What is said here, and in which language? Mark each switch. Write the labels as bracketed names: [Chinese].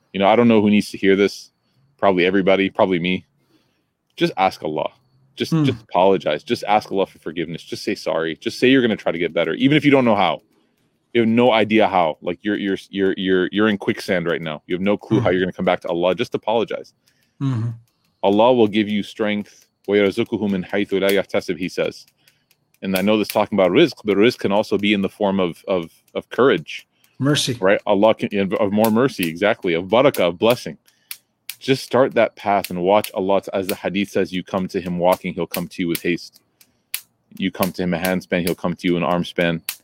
[English] You know, I don't know who needs to hear this. Probably everybody, probably me. Just ask Allah. Just apologize. Just ask Allah for forgiveness. Just say sorry. Just say you're going to try to get better, even if you don't know how. You have no idea how. Like you're in quicksand right now. You have no clue how you're going to come back to Allah. Just apologize. Allah will give you strength. [Arabic] وَيَرَزُقُهُ مِنْ حَيْثُ لَا يَحْتَسِبُ, [English] he says. And I know this talking about rizq, but rizq can also be in the form of courage. Mercy. Right? Allah can, of more mercy, exactly. Of barakah, of blessing. Just start that path and watch Allah. As the hadith says, you come to him walking, he'll come to you with haste. You come to him a handspan, he'll come to you an arm span.